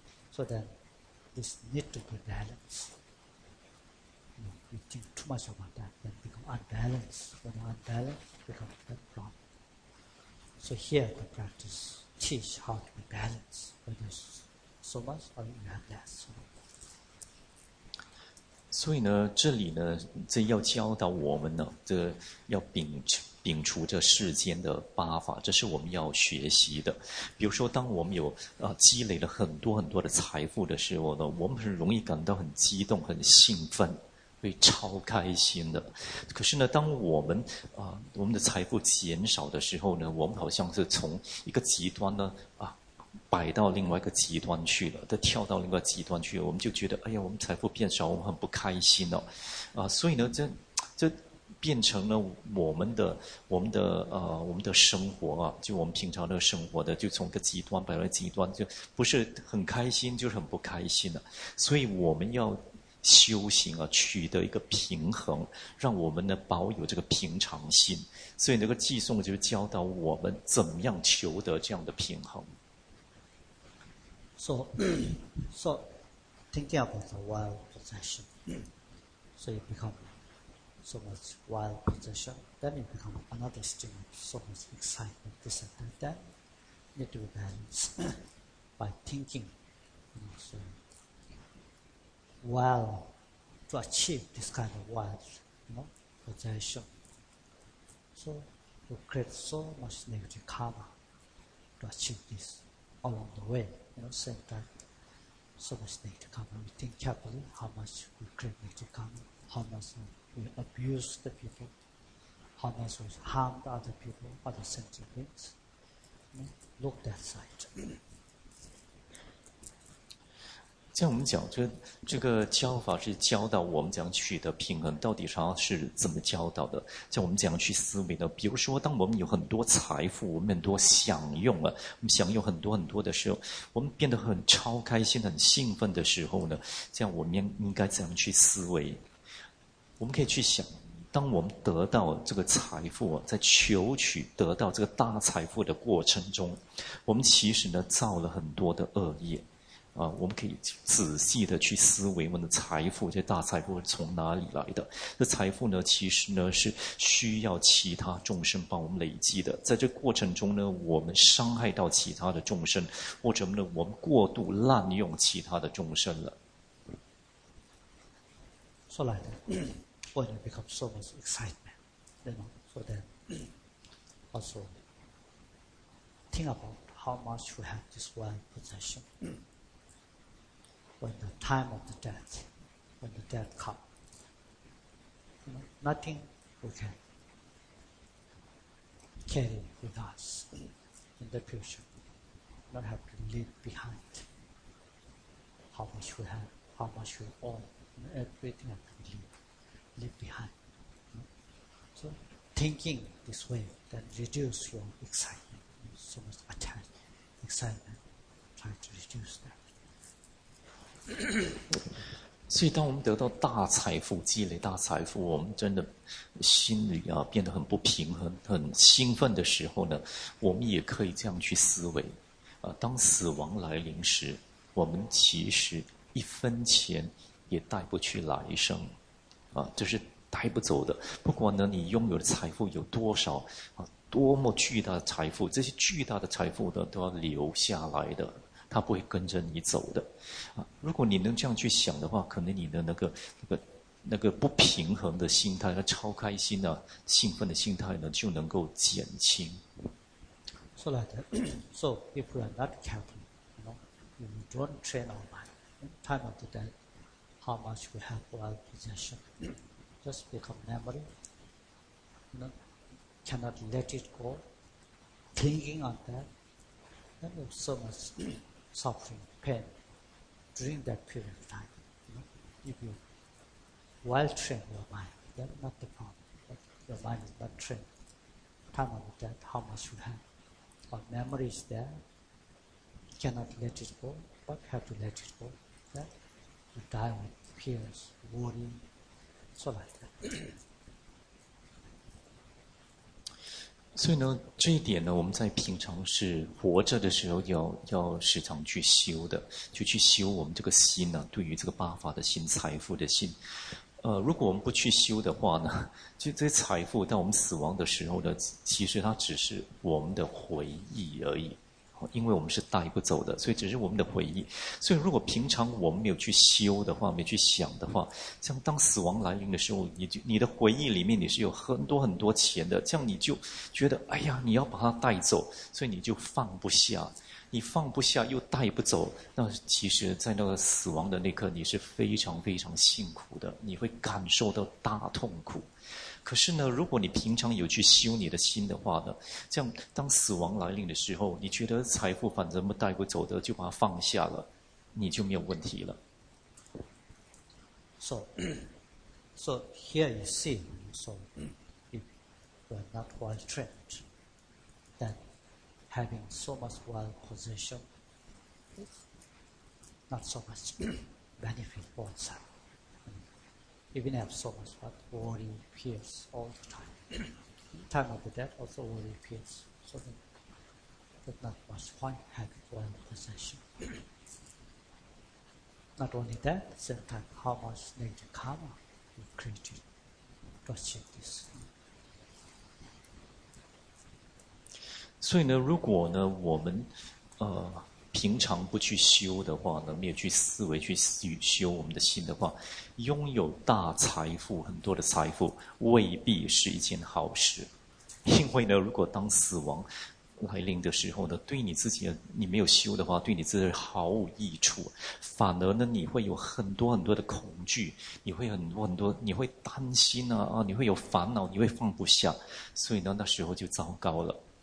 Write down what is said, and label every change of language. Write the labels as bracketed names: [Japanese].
[English] So then this need to be balanced. You know, you think too much about that, then become unbalanced. When you're unbalanced, become that problem. So here the practice teach how to be balanced, whether it's so much or you have less. So. [Chinese] 所以呢这里呢这要教导我们呢，这要摒除这世间的八法，这是我们要学习的。比如说当我们有积累了很多很多的财富的时候呢，我们很容易感到很激动很兴奋，会超开心的。可是呢当我们的财富减少的时候呢，我们好像是从一个极端呢摆到另外一个极端去了，再跳到另外一个极端去了，我们就觉得哎呀我们财富变少，我们很不开心了。所以呢这变成了我们的生活啊，就我们平常的生活的，就从一个极端摆到极端，就不是很开心，就是很不开心的、啊。所以我们要修行啊，取得一个平衡，让我们呢保有这个平常心。所以那个寄送就教导我们怎么样求得这样的平衡。 [English] So, thinking about the wild possession, so it becomes so much wild possession, then it becomes another stimulus, so much excitement, this and that, that need to be balanced by thinking. So, while to achieve this kind of wild possession, so you create so much negative karma to achieve this along the way. Same time, so much negative karma. We think carefully how much we create negative karma, how much we abuse the people, how much we harm the other people, other sentient beings. Look that side. [Chinese] 像我们讲，这个教法是教导我们怎样取得平衡，到底上是怎么教导的？像我们怎样去思维的？比如说，当我们有很多财富，我们很多享用啊，我们享用很多很多的时候，我们变得很超开心、很兴奋的时候呢？这样我们应该怎样去思维？我们可以去想，当我们得到这个财富啊，在求取得到这个大财富的过程中，我们其实呢造了很多的恶业。啊，我们可以仔细的去思维我们的财富，这大财富是从哪里来的？这财富呢，其实呢是需要其他众生帮我们累积的。在这过程中呢，我们伤害到其他的众生，或者呢，我们过度滥用其他的众生了。 [English] So like, when you become so much excitement, then for them, also think about how much we have this one possession. When the time of the death, when the death comes, nothing we can carry with us in the future. Not have to leave behind how much we have, how much we own, everything have to leave behind. So thinking this way, then reduce your excitement, so much attached excitement, try to reduce that. [Chinese] 所以当我们得到大财富，积累大财富，我们真的心里啊变得很不平衡，很兴奋的时候呢，我们也可以这样去思维啊，当死亡来临时，我们其实一分钱也带不去来生啊，就是带不走的。不管呢你拥有的财富有多少啊，多么巨大的财富，这些巨大的财富呢都要留下来的，他不会跟着你走的，啊！如果你能这样去想的话，可能你的那个不平衡的心态，那超开心的、兴奋的心态呢，就能够减轻。 [English] So like that. So if we are not careful, if we don't train our mind, in time of the death, how much we have wild possession, just become memory. Cannot let it go. Thinking on that, then you so much. Suffering, pain during that period of time. If you well train your mind, then not the problem. Your mind is not trained. Time of death, how much you have. Our memory is there. You cannot let it go, but have to let it go. Then you die with fears, worry, so like that. [Chinese] 所以呢，这一点呢，我们在平常是活着的时候要时常去修的，就去修我们这个心呢、对于这个八法的心、财富的心。如果我们不去修的话呢，就这些财富到我们死亡的时候呢，其实它只是我们的回忆而已，因为我们是带不走的，所以只是我们的回忆。所以如果平常我们没有去修的话，没去想的话，像当死亡来临的时候，你的回忆里面你是有很多很多钱的，这样你就觉得哎呀你要把它带走，所以你就放不下，你放不下又带不走，那其实在那个死亡的那刻你是非常非常辛苦的，你会感受到大痛苦。可是呢，如果你平常有去修你的心的话呢，这样当死亡来临的时候，你觉得财富反正带不走的，就把它放下了，你就没有问题了。 [English] So here you see, so if we are not well trained, then having so much wealth possession is not so much benefit for oneself. Even have so much, but worry appears all the time. Time of the death also worry appears. So then, but not much point having wealth possession. Not only that, same time, how much negative karma you created to achieve this. [Chinese] 所以呢，如果呢，我们平常不去修的话呢，没有去思维去修我们的心的话，拥有大财富，很多的财富未必是一件好事。因为呢，如果当死亡来临的时候呢，对你自己你没有修的话，对你自己毫无益处，反而呢，你会有很多很多的恐惧，你会很多很多，你会担心啊，你会有烦恼，你会放不下，所以呢，那时候就糟糕了。